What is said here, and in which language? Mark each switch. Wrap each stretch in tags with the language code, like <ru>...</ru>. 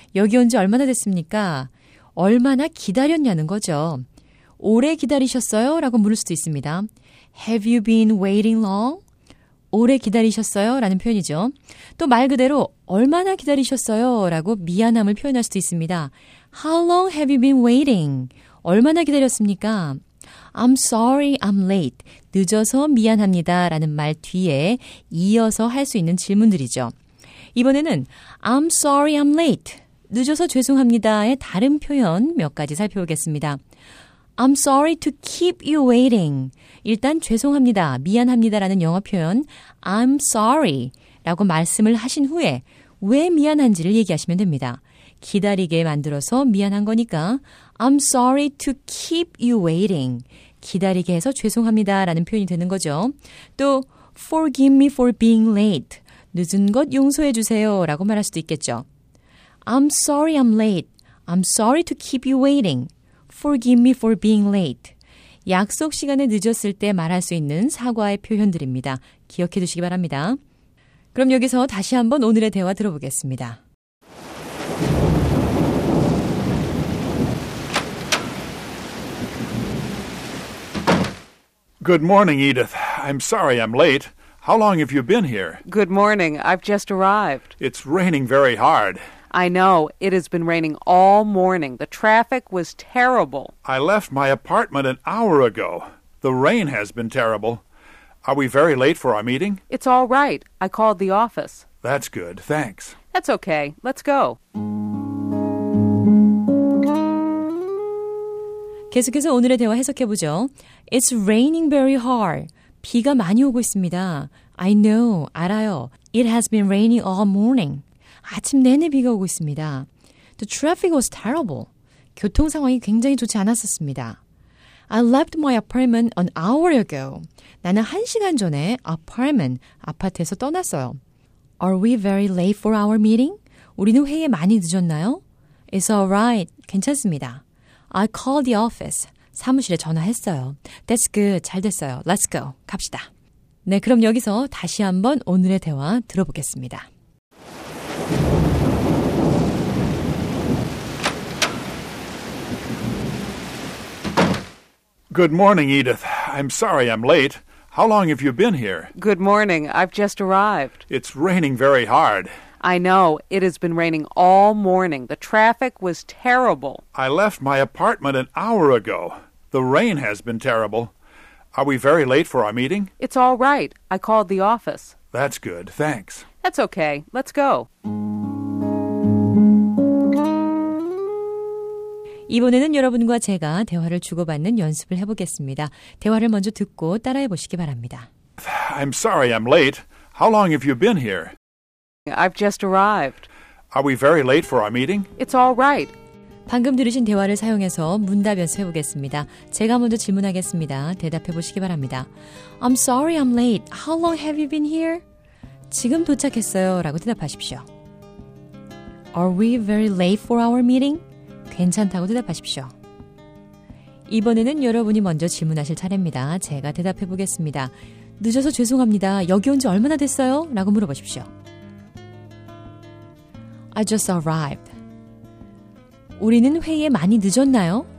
<ko>여기 온 지 얼마나 됐습니까? 얼마나 기다렸냐는 거죠. 오래 기다리셨어요? 라고 물을 수도 있습니다.</ko> <en>Have you been waiting long?</en> <ko>오래 기다리셨어요? 라는 표현이죠. 또 말 그대로 얼마나 기다리셨어요? 라고 미안함을 표현할 수도 있습니다.</ko> <en>How long have you been waiting?</en> <ko>얼마나 기다렸습니까?</ko> <en>I'm sorry I'm late.</en> <ko>늦어서 미안합니다. 라는 말 뒤에 이어서 할 수 있는 질문들이죠. 이번에는</ko> <en>I'm sorry I'm late.</en> <ko>늦어서 죄송합니다의 다른 표현 몇 가지 살펴보겠습니다.</ko> <en>I'm sorry to keep you waiting.</en> <ko>일단 죄송합니다, 미안합니다라는 영어 표현</ko> <en>I'm sorry</en> <ko>라고 말씀을 하신 후에 왜 미안한지를 얘기하시면 됩니다. 기다리게 만들어서 미안한 거니까</ko> <en>I'm sorry to keep you waiting.</en> <ko>기다리게 해서 죄송합니다라는 표현이 되는 거죠. 또</ko> <en>forgive me for being late.</en> <ko>늦은 것 용서해 주세요 라고 말할 수도 있겠죠.</ko> <en>I'm sorry I'm late. I'm sorry to keep you waiting. Forgive me for being late.</en> <ko>약속 시간에 늦었을 때 말할 수 있는 사과의 표현들입니다. 기억해 두시기 바랍니다. 그럼 여기서 다시 한번 오늘의 대화 들어보겠습니다.</ko> <en>Good morning, Edith. I'm sorry I'm late. How long have you been here? Good morning. I've just arrived. It's raining very hard. I know. It has been raining all morning. The traffic was terrible. I left my apartment an hour ago. The rain has been terrible. Are we very late for our meeting? It's all right. I called the office. That's good. Thanks. That's okay. Let's go.</en> <ko>계속해서 오늘의 대화 해석해보죠.</ko> <en>It's raining very hard.</en> <ko>비가 많이 오고 있습니다.</ko> <en>I know,</en> <ko>알아요.</ko> <en>It has been raining all morning.</en> <ko>아침 내내 비가 오고 있습니다.</ko> <en>The traffic was terrible.</en> <ko>교통 상황이 굉장히 좋지 않았었습니다.</ko> <en>I left my apartment an hour ago.</en> <ko>나는 한 시간 전에 apartment, 아파트에서 떠났어요.</ko> <en>Are we very late for our meeting?</en> <ko>우리는 회의에 많이 늦었나요?</ko> <en>It's all right.</en> <ko>괜찮습니다.</ko> <en>I called the office.</en> <ko>사무실에 전화했어요.</ko> <en>That's good.</en> <ko>잘 됐어요.</ko> <en>Let's go.</en> <ko>갑시다. 네, 그럼 여기서 다시 한번 오늘의 대화 들어보겠습니다.</ko> <en>Good morning, Edith. I'm sorry I'm late. How long have you been here? Good morning. I've just arrived. It's raining very hard. I know. It has been raining all morning. The traffic was terrible. I left my apartment an hour ago. The rain has been terrible. Are we very late for our meeting? It's all right. I called the office. That's good. Thanks. That's okay. Let's go.</en> <ko>이번에는 여러분과 제가 대화를 주고받는 연습을 해보겠습니다. 대화를 먼저 듣고 따라해보시기 바랍니다.</ko> <en>I'm sorry I'm late. How long have you been here? I've just arrived. Are we very late for our meeting? It's all right.</en> <ko>방금 들으신 대화를 사용해서 문답 연습해보겠습니다. 제가 먼저 질문하겠습니다. 대답해보시기 바랍니다.</ko> <en>I'm sorry I'm late. How long have you been here?</en> <ko>지금 도착했어요. 라고 대답하십시오.</ko> <en>Are we very late for our meeting?</en> <ko>괜찮다고 대답하십시오. 이번에는 여러분이 먼저 질문하실 차례입니다. 제가 대답해보겠습니다. 늦어서 죄송합니다. 여기 온 지 얼마나 됐어요? 라고 물어보십시오.</ko> <en>I just arrived.</en> <ko>우리는 회의에 많이 늦었나요?</ko>